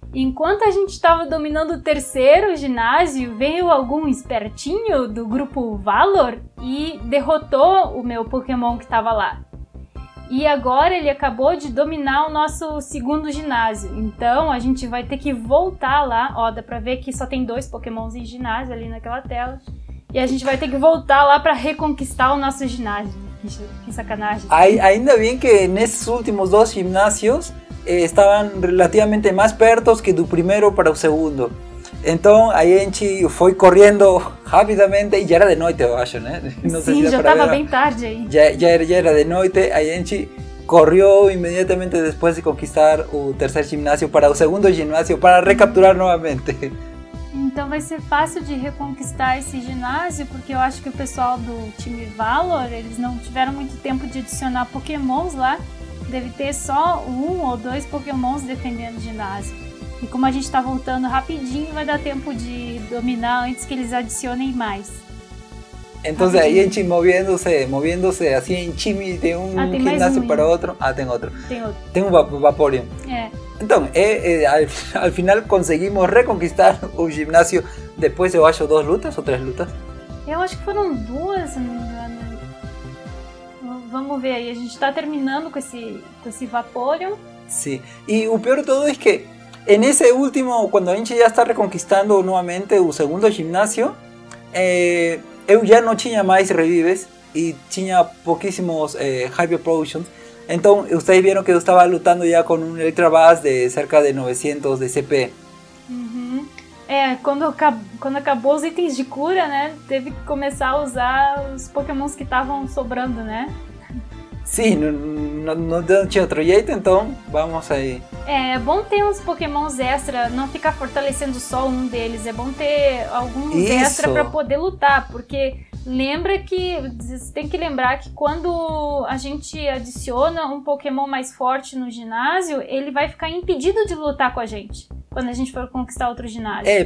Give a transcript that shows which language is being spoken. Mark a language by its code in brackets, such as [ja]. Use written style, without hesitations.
[pt] Enquanto a gente estava dominando o terceiro ginásio, veio algum espertinho do grupo Valor e derrotou o meu Pokémon que estava lá. E agora ele acabou de dominar o nosso segundo ginásio. Então a gente vai ter que voltar lá. Ó, dá pra ver que só tem 2 Pokémons em ginásio ali naquela tela. E a gente vai ter que voltar lá para reconquistar o nosso ginásio. Que sacanagem. Ainda bem que nesses últimos 2 ginásios [es] estaban relativamente más pertos que tu primero para el segundo. Entonces ahí Enchi fue corriendo rápidamente y ya era de noche, yo creo, ¿no? Sí, ya estaba bien tarde ahí. Ya era de noche, ahí Enchi corrió inmediatamente después de conquistar el tercer gimnasio para el segundo gimnasio para recapturar nuevamente. Entonces va a ser fácil de reconquistar ese gimnasio porque yo creo que el personal del Team Valor, ellos no tuvieron mucho tiempo de adicionar Pokémons lá. [pt] Deve ter só 1 ou 2 pokémons defendendo o ginásio. E como a gente tá voltando rapidinho, vai dar tempo de dominar antes que eles adicionem mais. Então, rapidinho. Aí a gente movendo-se, assim, em time de um ginásio um, para outro. Ah, tem outro. Tem outro. Tem um Vaporeon. É. Então, ao final conseguimos reconquistar o ginásio depois, eu acho, 2 lutas ou 3 lutas? Eu acho que foram 2, se não me engano. Vamos ver aí, a gente está terminando com esse Vaporeon. Sim, e o pior de tudo é que em esse último, quando a gente já está reconquistando novamente o segundo ginásio, eu já não tinha mais revives e tinha pouquíssimos Hyper Potions. Então, vocês viram que eu estava lutando já com um Electabuzz de cerca de 900 de CP. É, quando acabou os itens de cura, né, teve que começar a usar os pokémons que estavam sobrando, né? [es] Sí, no tiene otro jeito, entonces vamos ahí. [pt] É bom ter uns pokémons extra, não ficar fortalecendo só um deles. É bom ter alguns extra para poder lutar, porque lembra que você tem que lembrar que quando a gente adiciona um pokémon mais forte no ginásio, ele vai ficar impedido de lutar com a gente quando a gente for conquistar outro ginásio.